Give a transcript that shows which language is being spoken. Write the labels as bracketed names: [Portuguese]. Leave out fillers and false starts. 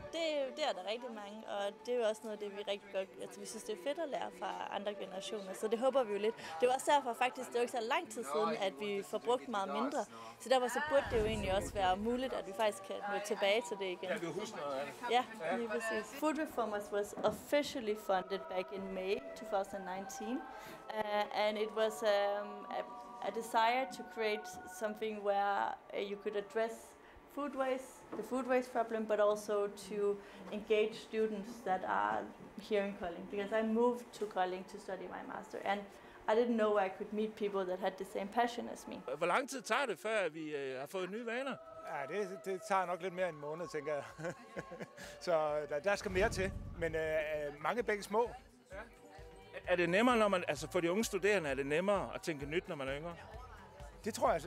[Danish] Det er der rigtig mange, og det er jo også noget af det, vi rigtig godt... Altså, vi synes, det er fedt at lære fra andre generationer, så det håber vi jo lidt. Det var også derfor faktisk, det er jo ikke så lang tid siden, at vi får brugt meget mindre. Så derfor så burde det jo egentlig også være muligt, at vi faktisk kan nå tilbage til det igen. Ja, vi husker noget af det. Ja, lige præcis. [English] Food Reformers was officially funded back in May 2019, and it was a desire to create something where you could address the food waste problem, but also to engage students that are here in Kolding, because I moved to Kolding to study my master and I didn't know I could meet people that had the same passion as me. [Danish] Hvor lang tid tager det, før vi har fået nye vaner? Ja, det tager nok lidt mere end en måned, tænker jeg. Så der skal mere til, men mange begge små. Er det nemmere, når man, altså for de unge studerende, er det nemmere at tænke nyt, når man er yngre? Det tror jeg.